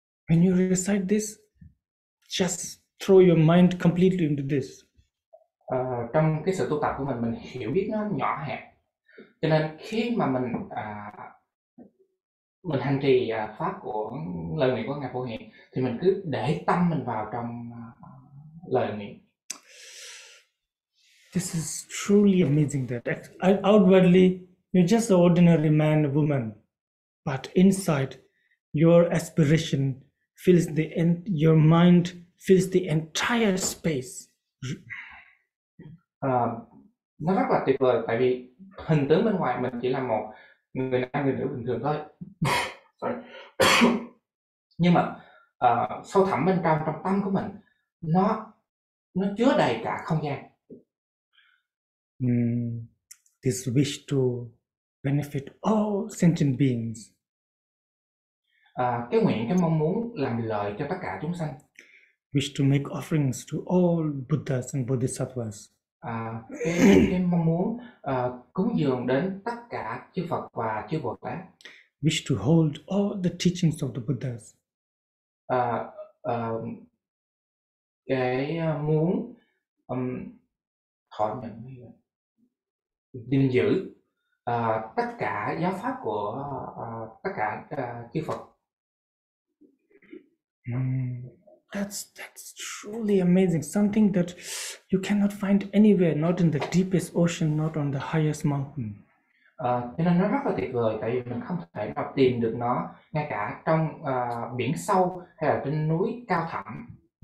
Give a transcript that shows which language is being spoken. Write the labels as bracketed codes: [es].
[en] When you recite this, just throw your mind completely into this. [vi] Trong cái sự tu tập của mình hiểu biết nó nhỏ hẹp. Cho nên khi mà mình hành trì pháp của lời nguyện của ngài Phổ Hiền thì mình cứ để tâm mình vào trong lời nguyện. [en] This is truly amazing that outwardly you're just an ordinary man or woman, but inside your aspiration fills the your mind fills the entire space. [vi] Nó rất là tuyệt vời, tại vì hình tướng bên ngoài mình chỉ là một người nam người nữ bình thường thôi. Nhưng mà sâu thẳm bên trong trong tâm của mình nó chứa đầy cả không gian. [en] This wish to benefit all sentient beings. [vi] Cái nguyện, cái mong muốn làm lợi cho tất cả chúng sanh. [en] Wish to make offerings to all Buddhas and Bodhisattvas. [vi] Cái mong muốn cúng dường đến tất cả chư Phật và chư Bồ Tát. [en] Wish to hold all the teachings of the Buddhas. [vi] Cái muốn thọ nhận, gìn giữ tất cả giáo pháp của tất cả chư Phật. [en] That's truly amazing. Something that you cannot find anywhere, not in the deepest ocean, not on the highest mountain. [vi] Cho nên nó rất là tuyệt vời, tại vì mình không thể nào tìm được nó ngay cả trong biển sâu hay là trên núi cao thẳm.